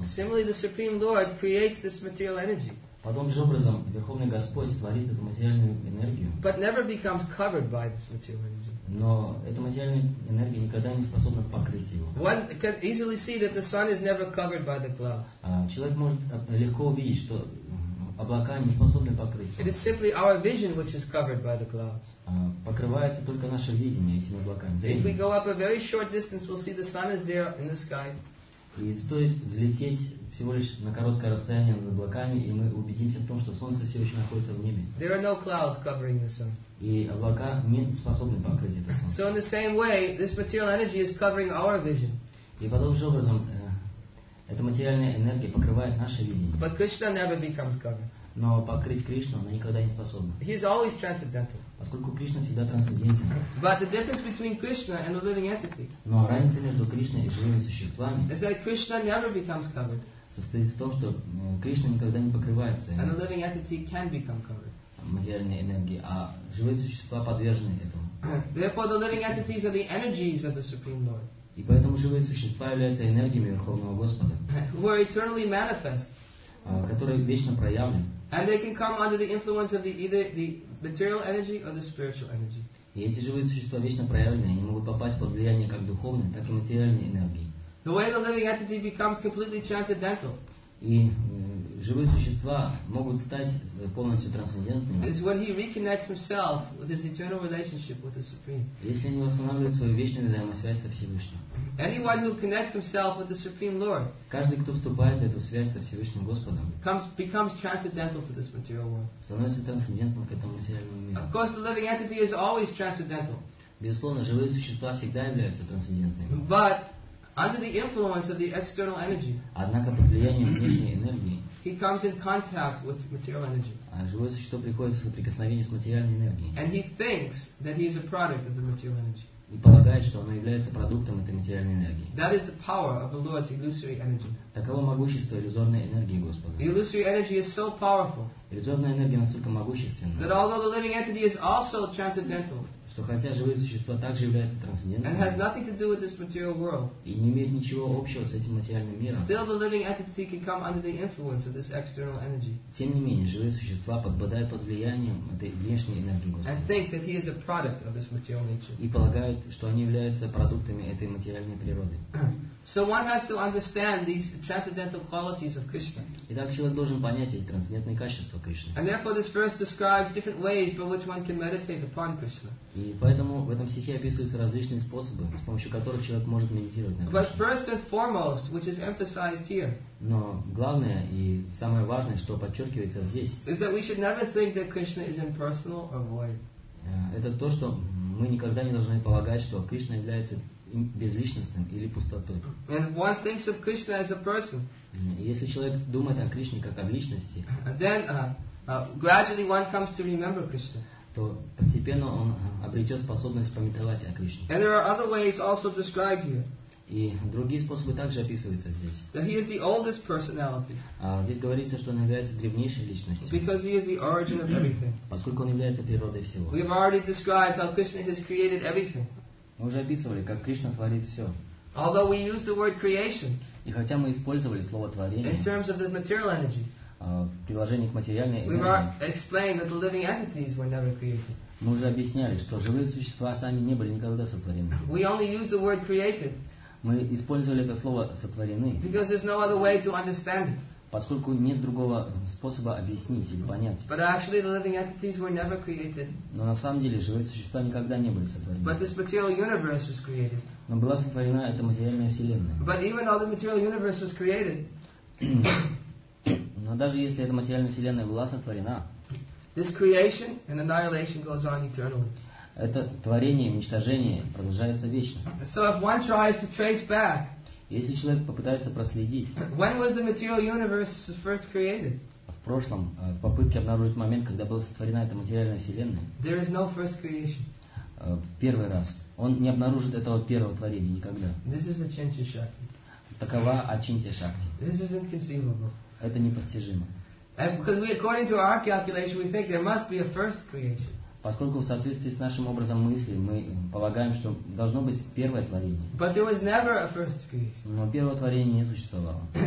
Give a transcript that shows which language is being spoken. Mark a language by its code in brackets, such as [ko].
[en] Similarly, the Supreme Lord creates this material energy. [ru] Подобным же образом, Верховный Господь творит эту материальную энергию. [en] But never becomes covered by this material energy. [ru] Но эта материальная энергия никогда не способна покрыть его. [en] One can easily see that the sun is never covered by the clouds. [ru] Человек может легко увидеть, что облака не способны покрыть его. [en] It is simply our vision which is covered by the clouds. [ru] Покрывается только наше видение этими облаками. [en] If we go up a very short distance, we'll see the sun is there in the sky. [ru] И стоит взлететь всего лишь на короткое расстояние над облаками, и мы убедимся в том, что солнце все еще находится в небе. [en] There are no clouds covering the sun. [ru] И облака не способны покрыть это солнце. [en] So in the same way, this material energy is covering our vision. [ru] И подобным образом, эта материальная энергия покрывает наше видение. [en] But Krishna never becomes covered. [ru] Но покрыть Кришну она никогда не способна. [en] He is always transcendental. [ru] Поскольку Кришна всегда трансцендентен. [en] But the difference between Krishna and a living entity. [ru] Но разница между Кришной и живыми существами. [en] Is that Krishna never becomes covered. [ru] Состоит в том, что Кришна никогда не покрывается. [en] And a living entity can become covered. [ru] Материальной энергии, а живые существа подвержены этому. [en] Therefore, the living entities are the energies of the Supreme Lord. [ru] И поэтому живые существа являются энергиями Верховного Господа. [en] Who are eternally manifest. [ru] Которые вечно проявлены. [en] And they can come under the influence of either the material energy or the spiritual energy. [ru] И эти живые существа вечно проявлены, они могут попасть под влияние как духовной, так и материальной энергии. [en] The way the living entity becomes completely transcendental. [ru] И живые существа могут стать полностью трансцендентными. [en] It's when he reconnects himself with his eternal relationship with the Supreme. [ru] Если они восстанавливают свою вечную взаимосвязь со Всевышним. [en] Anyone who connects himself with the Supreme Lord. [ru] Каждый, кто вступает в эту связь со Всевышним Господом. [en] Becomes transcendental to this material world. [ru] Становится трансцендентным к этому материальному миру. [en] Of course, the living entity is always transcendental. [ru] Безусловно, живые существа всегда являются трансцендентными. [en] But under the influence of the external energy. [ru] Однако под влиянием внешней энергии. [en] He comes in contact with material energy. [ru] А живое существо приходит в соприкосновение с материальной энергией. [en] And he thinks that he is a product of the material energy. [ru] И полагает, что оно является продуктом этой материальной энергии. [en] That is the power of the Lord's illusory energy. [ru] Таково могущество иллюзорной энергии Господа. [en] The illusory energy is so powerful. [ru] Иллюзорная энергия настолько могущественна. [en] That although the living entity is also transcendental. [ru] Что хотя живые существа также являются трансцендентными и не имеют ничего общего с этим материальным миром, тем не менее, живые существа подпадают под влиянием этой внешней энергии Господа и полагают, что они являются продуктами этой материальной природы. [en] So one has to understand these transcendental qualities of Krishna. [ru] Итак, человек должен понять эти трансцендентные качества Кришны. [en] And therefore, this verse describes different ways by which one can meditate upon Krishna. [ru] И поэтому в этом стихе описываются различные способы, с помощью которых человек может медитировать на Кришне. [en] But first and foremost, which is emphasized here. [ru] Но главное и самое важное, что подчеркивается здесь. [en] Is that we should never think that Krishna is impersonal or void. [ru] Это то, что мы никогда не должны полагать, что Кришна является безличностным или пустотой. [en] And one thinks of Krishna as a person. [ru] Если человек думает о Кришне как о личности, [en] then gradually one comes to remember Krishna. [ru] То постепенно он обретет способность памятовать о Кришне. [en] And there are other ways also described here. [ru] И другие способы также описываются здесь. [en] That he is the oldest personality. [ru] Здесь говорится, что он является древнейшей личностью. [en] Because he is the origin of everything. [ru] Поскольку он является природой всего. [en] We have already described how Krishna has created everything. [ru] Мы уже описывали, как Кришна творит все. [en] Although we use the word creation. [ru] И хотя мы использовали слово творение. [en] In terms of the material energy. [ru] В приложении к материальной энергии. [en] We've explained that the living entities were never created. [ru] Мы уже объясняли, что живые существа сами не были никогда сотворены. [en] We only use the word created. [ru] Мы использовали это слово сотворены. [en] Because there's no other way to understand it. [ru] Поскольку нет другого способа объяснить или понять. [en] But actually, the living entities were never created. [ru] Но на самом деле живые существа никогда не были сотворены. [en] But this material universe was created. [ru] Но была сотворена эта материальная вселенная. [en] But even though the material universe was created, [ru] но даже если эта материальная вселенная была сотворена, [en] this creation and annihilation goes on eternally. [ru] Это творение и уничтожение продолжается вечно. [en] So if one tries to trace back. [ru] Если человек попытается проследить. [en] When was the material universe first created? [ru] В прошлом, в попытке обнаружить момент, когда была сотворена эта материальная вселенная. [en] There is no first creation. [ru] Первый раз. Он не обнаружит этого первого творения никогда. [en] This is Achintya Shakti. [ru] Такова Ачинтья Шакти. [en] This is inconceivable. [ru] Это непостижимо. [en] And because we, according to our calculation, we think there must be a first creation. [ru] Поскольку в соответствии с нашим образом мысли мы полагаем, что должно быть первое творение. [en] But there was never a first creation. [ru] Но первое творение не существовало.